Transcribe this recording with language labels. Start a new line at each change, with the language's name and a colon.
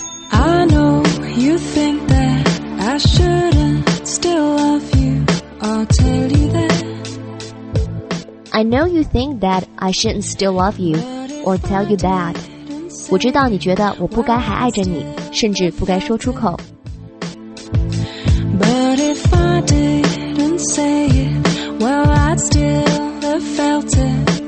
English: I know you think that I shouldn't still love you, I'll tell you that. I know you think that I shouldn't still love you, or tell you that.
Chinese: 我知道你觉得我不该还爱着你，甚至不该说出口。
English: But if I didn't say it, well I'd still have felt it.